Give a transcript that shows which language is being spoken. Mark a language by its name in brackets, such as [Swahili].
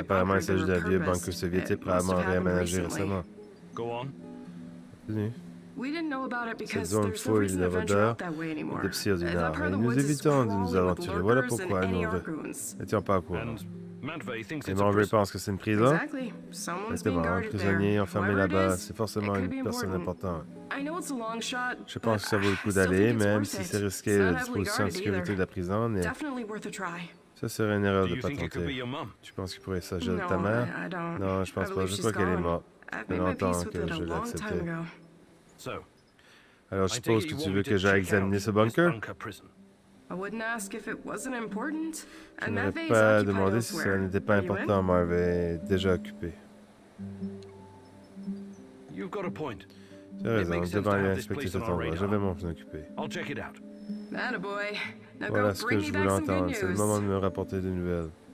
[French] apparemment, [English] bunker had been repurposed. It must have happened recently. Go on. We didn't know about it because there's no reason to venture out that way anymore. That part of the woods is crawling with lurkers and any arguments. [French] Et Manvey pense que c'est une prison. Exactement. Un prisonnier enfermé là-bas, c'est forcément une personne importante. Je pense que ça vaut le coup d'aller, même si c'est risqué, la disposition de sécurité de la prison. Mais ça serait une erreur de pas tenter. Tu penses qu'il pourrait s'agir de ta mère? Non, je pense pas. Je crois qu'elle est morte. Ça fait longtemps que je l'ai acceptée. Alors, je suppose que tu veux que j'aille examiner ce bunker? [English] I wouldn't ask if it wasn't important, and Matvey's occupied elsewhere. [French] Je n'aurais pas demandé si ça n'était pas important, Matvey est déjà occupé. [English] You've got a point. [French] T'as raison, je devrais aller inspecter cet endroit, je vais m'en occuper. [English] I'll check it out. Attaboy. [French] Voilà ce que je voulais entendre, c'est le moment de me rapporter des nouvelles.